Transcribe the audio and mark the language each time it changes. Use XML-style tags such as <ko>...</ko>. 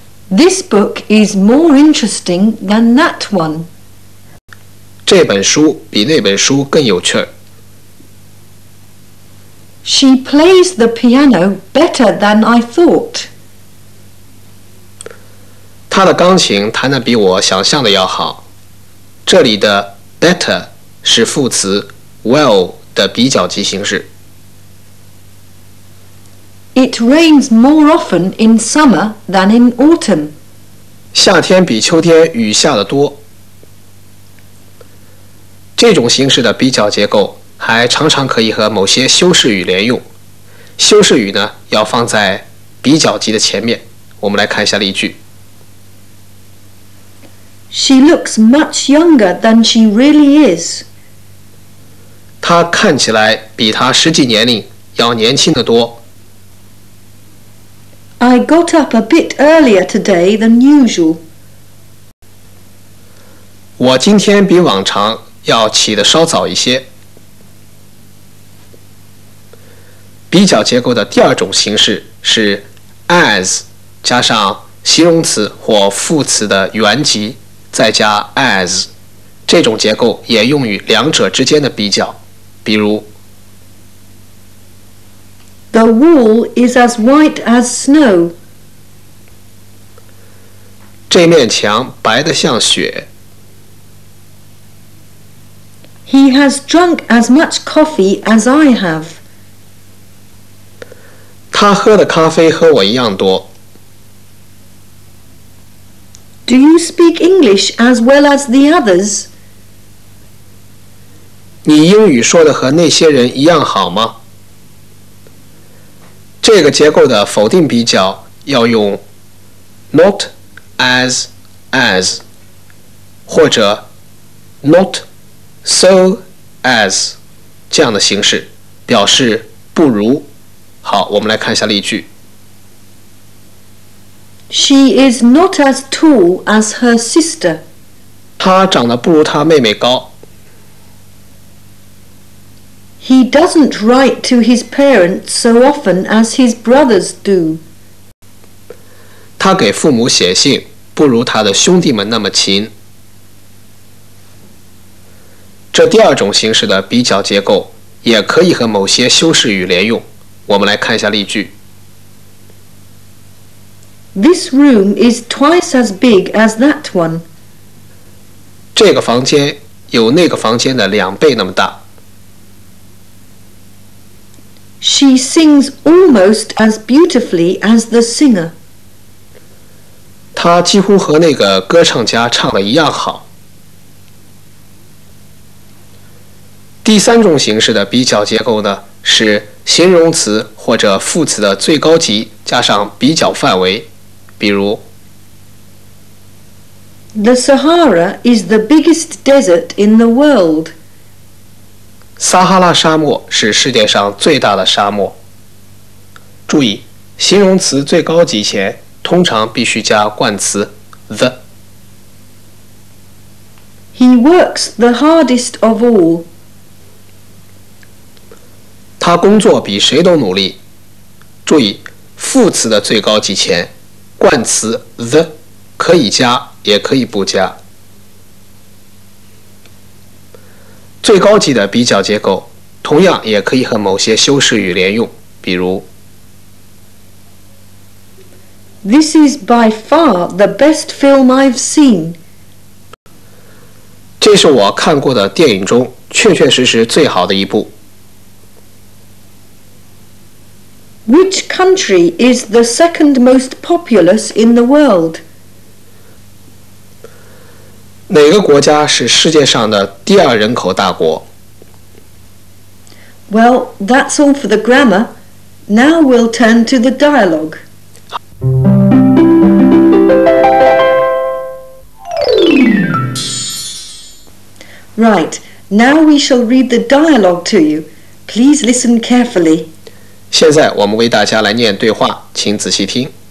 <en>This book is more interesting than that one.</en> <zh>这本书比那本书更有趣儿。</zh> <en>She plays the piano better than I thought.</en> <zh>她的钢琴弹得比我想象的要好。这里的 better 是副词 well 的比较级形式。</zh> <en>It rains more often in summer than in autumn.</en> <zh>夏天比秋天雨下得多。这种形式的比较结构还常常可以和某些修饰语连用。修饰语呢，要放在比较级的前面。我们来看一下例句。</zh> <en>She looks much younger than she really is.</en> <zh>她看起来比她实际年龄要年轻得多。</zh> <en>I got up a bit earlier today than usual.</en> <zh>我今天比往常要起得稍早一些。比较结构的第二种形式是 as 加上形容词或副词的原级再加 as， 这种结构也用于两者之间的比较，比如</zh> <en>The wall is as white as snow，</en> <zh>这面墙白得像雪。</zh> <en>He has drunk as much coffee as I have.</en> <zh>他喝的咖啡和我一样多。</zh> <en>Do you speak English as well as the others?</en> <zh>你英语说的和那些人一样好吗？这个结构的否定比较要用 not as as 或者 not so as 这样的形式表示不如。好，我们来看一下例句。</zh> <en>She is not as tall as her sister.</en> <zh>她长得不如她妹妹高。</zh> <en>He doesn't write to his parents so often as his brothers do.</en> <zh>她给父母写信不如她的兄弟们那么勤。这第二种形式的比较结构也可以和某些修饰语连用。我们来看一下例句。</zh> <en>This room is twice as big as that one.</en> <zh>这个房间有那个房间的两倍那么大。</zh> <en>She sings almost as beautifully as the singer.</en> <zh>她几乎和那个歌唱家唱的一样好。第三种形式的比较结构呢，是形容词或者副词的最高级加上比较范围，比如</zh> <en>The Sahara is the biggest desert in the world.</en> <zh>撒哈拉沙漠是世界上最大的沙漠。注意，形容词最高级前通常必须加冠词 the。</zh> <en>He works the hardest of all.</en> <zh>他工作比谁都努力。注意，副词的最高级前冠词 the 可以加也可以不加。最高级的比较结构同样也可以和某些修饰语连用，比如</zh> <en>This is by far the best film I've seen.</en> <zh>这是我看过的电影中确确实实最好的一部。</zh> <en>Which country is the second most populous in the world?</en> <zh>哪个国家是世界上的第二人口大国？</zh> <en>Well, that's all for the grammar. Now we'll turn to the dialogue. Right, now we shall read the dialogue to you. Please listen carefully.</en> <zh>现在我们为大家来念对话，请仔细听。</zh>